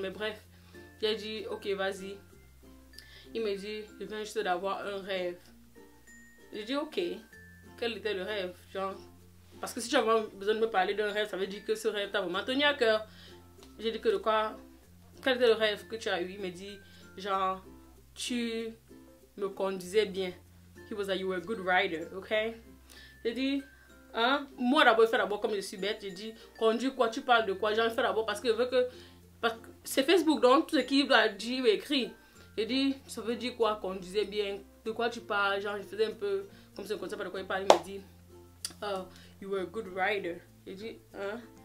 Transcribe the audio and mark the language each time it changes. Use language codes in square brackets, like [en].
[fr] Mais bref, j'ai dit, ok, vas-y. Il m'a dit, je viens juste d'avoir un rêve. J'ai dit, ok, quel était le rêve? Genre, parce que si tu as vraiment besoin de me parler d'un rêve, ça veut dire que ce rêve t'a vraiment tenu à cœur. J'ai dit que de quoi? Quel était le rêve que tu as eu? Il m'a dit, genre, tu me conduisais bien. [en] He was like, you were a good rider, ok? [fr] J'ai dit, hein? Moi d'abord, fais d'abord comme je suis bête. J'ai dit, conduis quoi? Tu parles de quoi? Genre, fais d'abord parce que je veux que. Parce que c'est Facebook, donc tout ce qu'il a dit, il écrit. J'ai dit, ça veut dire quoi? Conduisais bien. De quoi tu parles? Genre, je faisais un peu comme si je ne connaissais pas de quoi il parle. Il m'a dit, [en] oh, you were a good rider. [fr] J'ai dit, hein?